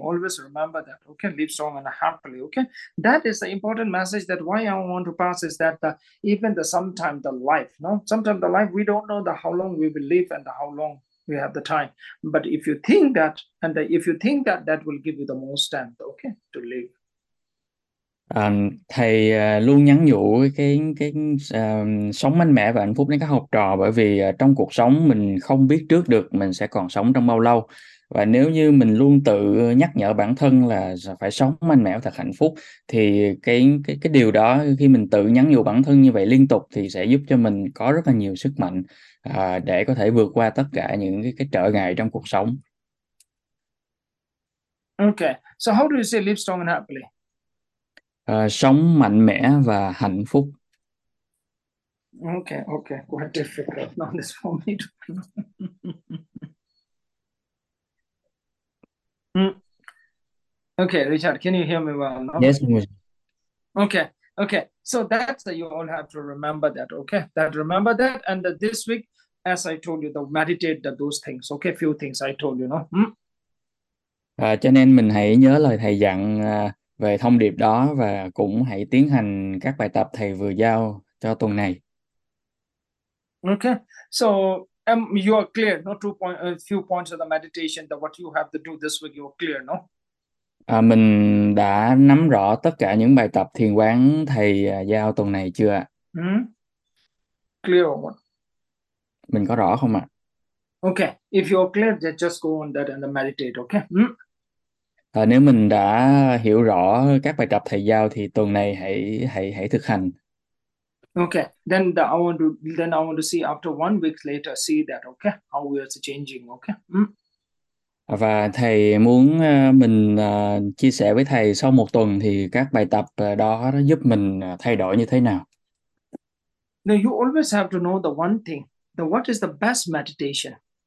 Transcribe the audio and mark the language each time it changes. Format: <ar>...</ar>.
<en>Always remember that. Okay, live strong and happily. Okay, that is the important message that why I want to pass is that even the sometime the life, no, sometime the life we don't know the how long we will live and how long we have the time. But if you think that and if you think that that will give you the most strength, okay, to live.</en> <vi>Thầy luôn nhắn nhủ cái sống mạnh mẽ và hạnh phúc đến các học trò, bởi vì trong cuộc sống mình không biết trước được mình sẽ còn sống trong bao lâu, và nếu như mình luôn tự nhắc nhở bản thân là phải sống mạnh mẽ và thật hạnh phúc, thì cái điều đó khi mình tự nhắn nhủ bản thân như vậy liên tục thì sẽ giúp cho mình có rất là nhiều sức mạnh để có thể vượt qua tất cả những cái trở ngại trong cuộc sống.</vi> <en>Okay, so how do you say live strong and happily?</en> <vi>Sống mạnh mẽ và hạnh phúc.</vi> <en>Okay, quite difficult. Not this for me to. Okay, Richard, can you hear me well now? Yes. Okay. So that's you all have to remember that. Okay, that remember that. And this week, as I told you, the meditate the those things. Okay, few things I told you. No.</en> <vi>Cho nên mình hãy nhớ lời thầy dặn về thông điệp đó và cũng hãy tiến hành các bài tập thầy vừa giao cho tuần này.</vi> <en>Okay. So you are clear. No two point, a few points of the meditation that what you have to do this week. You are clear. No.</en> <vi>Mình đã nắm rõ tất cả những bài tập thiền quán thầy giao tuần này chưa ạ?</vi> <en>Clear or what?</en> <vi>Mình có rõ không ạ?</vi> <en>Okay, if you are clear, then just go on that and the meditate, okay?</en> <vi>Nếu mình đã hiểu rõ các bài tập thầy giao thì tuần này hãy thực hành.</vi> <en>Okay, then the, I want to see after 1 week later, see that, okay? How we are changing, okay?</en> <vi>Và thầy muốn mình chia sẻ với thầy sau một tuần thì các bài tập đó giúp mình thay đổi như thế nào?</vi> <en>Now you always have to know the one thing, the what is the best meditation?</en>